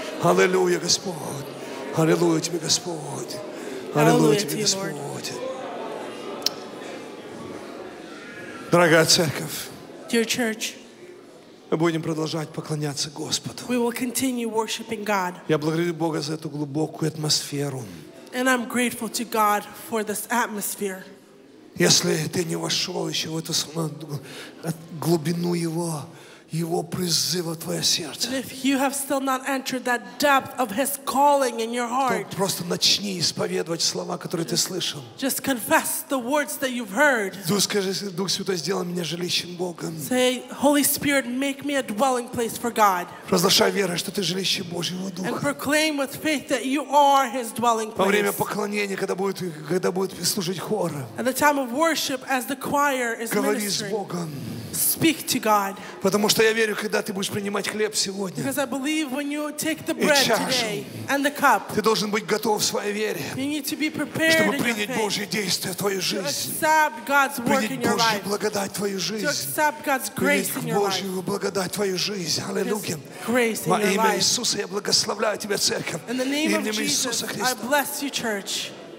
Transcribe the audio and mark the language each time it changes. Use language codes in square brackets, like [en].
[ru] Аллилуйя, Господь. Аллилуйя тебе, Господь. Аллилуйя тебе, Господь. Дорогая церковь, [en] dear church, [ru] мы будем продолжать поклоняться Господу. [en] We will continue worshiping God. [ru] Я благодарю Бога за эту глубокую атмосферу. [en] And I'm grateful to God for this atmosphere. [ru] Если ты не вошел еще в эту глубину Его, Его призыва в твое сердце, [en] and if you have still not entered that depth of His call, calling in your heart, [ru] просто начни исповедовать слова, которые ты слышал. [en] Just confess the words that you've heard. [ru] Дух, скажи, Дух Святой, сделай меня жилищем Богом. [en] Say, Holy Spirit, make me a dwelling place for God. [ru] Разглашай верой, что ты жилище Божьего Духа. [en] And proclaim with faith that you are His dwelling place. [ru] Во время поклонения, когда будет служить хор. [en] At the time of worship, as the choir is [ru] говори [en] ministering. [ru] Говори с Богом. [en] Speak to God. [ru] Потому что я верю, когда ты будешь принимать хлеб сегодня. [en] Because I believe when you take the bread today and the cup. [ru] Ты должен быть готов в своей вере. [en] You need to be prepared. [ru] Чтобы принять Божье действие в твою жизнь. [en] To accept God's work in your life. [ru] Принять Божью благодать в твою жизнь. [en] To accept God's grace in your life. [ru] Принять Божью благодать в твою жизнь. Аллилуйя. [en] Grace in your life. [ru] Во имя Иисуса я благословляю тебя, церковь. [en] In the name of Jesus, I bless you, church.